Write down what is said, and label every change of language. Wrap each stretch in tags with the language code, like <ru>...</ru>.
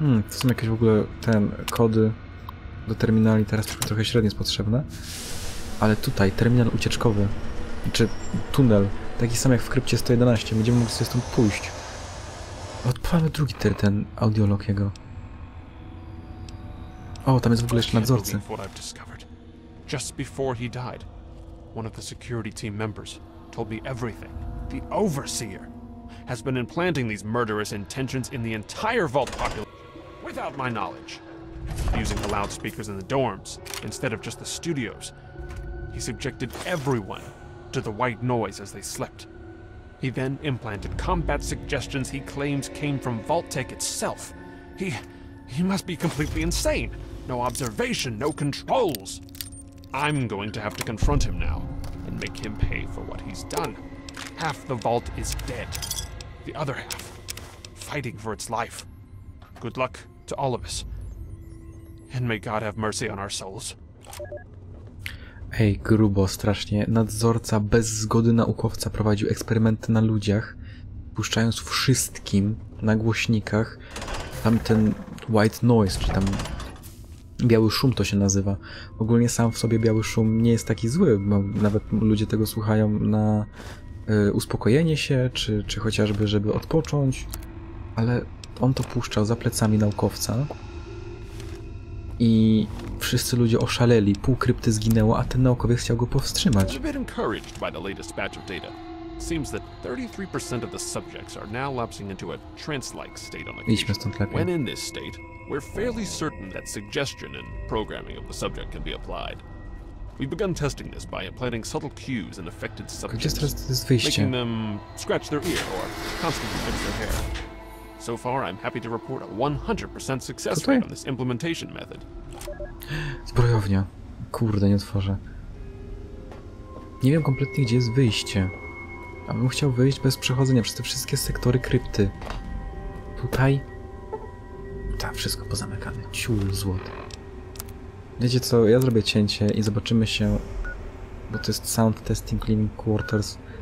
<pl>To są jakieś w ogóle ten kody do terminali, teraz trochę średnio jest potrzebne. Ale tutaj, terminal ucieczkowy. Czy tunel, taki sam jak w krypcie 111, będziemy mogli sobie stąd pójść. Odpalę drugi ten audiolog jego. O, tam jest w ogóle jeszcze nadzorcy.</pl> <en>Just before he died, one of the security team members told me everything. The overseer has been implanting these murderous intentions in the entire vault population without my knowledge. Using the loudspeakers in the dorms instead of just the studios, he subjected everyone to the white noise as they slept. He then implanted combat suggestions he claims came from Vault-Tec itself. He must be completely insane. No observation, no controls. I'm going to have to confront him now and make him pay for what he's done. Half the vault is dead. The other half, fighting for its life. Good luck to all of us. And may God have mercy on our souls.</en> <pl>Ej, grubo, strasznie. Nadzorca bez zgody naukowca prowadził eksperymenty na ludziach, puszczając wszystkim na głośnikach tamten white noise, czy tam biały szum to się nazywa. Ogólnie sam w sobie biały szum nie jest taki zły, bo nawet ludzie tego słuchają na uspokojenie się, czy chociażby żeby odpocząć, ale on to puszczał za plecami naukowca. I wszyscy ludzie oszaleli, pół krypty zginęło, a ten naukowiec chciał go powstrzymać.</pl> <en>I'm a bit encouraged by the latest batch of data. Seems that 33% of the subjects are now lapsing into a trance-like state on occasion. When in this state, we're fairly certain that suggestion and programming of the subject can be applied. We've begun testing this by implanting subtle cues in affected subjects, making them scratch their ear or constantly fix their hair. So far, I'm happy to report a 100% success rate on this implementation method.</en> <pl>Zbrojownia. Kurde, nie otworzę. Nie wiem kompletnie, gdzie jest wyjście. A bym chciał wyjść bez przechodzenia przez te wszystkie sektory krypty. Tutaj? Tak, wszystko pozamykane. Ciul złoty. Wiecie co, ja zrobię cięcie i zobaczymy się, bo to jest Sound Testing Living Quarters.</pl>